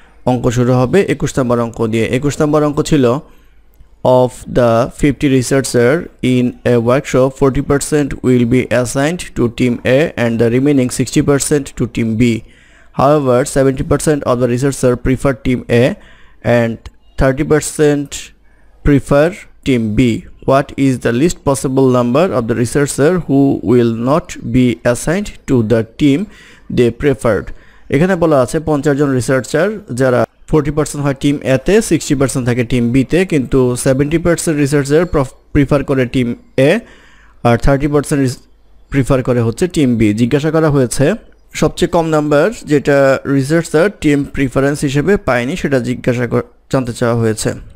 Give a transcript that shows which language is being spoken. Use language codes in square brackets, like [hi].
[bn] অঙ্ক শুরু হবে 21 নম্বর অঙ্ক দিয়ে। 21 নম্বর অঙ্ক ছিল [en] Of the 50 researcher in a workshop 40% will be assigned to team A and the remaining 60% to team B. However 70% of the researcher prefer team A and 30% prefer team B. What is the least possible number of the researcher who will not be assigned to the team they preferred? [bn] এখানে বলা আছে 50 জন researcher যারা 40% হয় team এ তে 60% থাকে team B তে, কিন্তু 70% researcher prefer করে টিম এ আর 30% প্রিফার করে হচ্ছে টিম বি। জিজ্ঞাসা করা হয়েছে সবচেয়ে কম নাম্বার যেটা রিসার্চার টিম প্রিফারেন্স হিসেবে পায়নি সেটা জিজ্ঞাসা জানতে চাওয়া হয়েছে।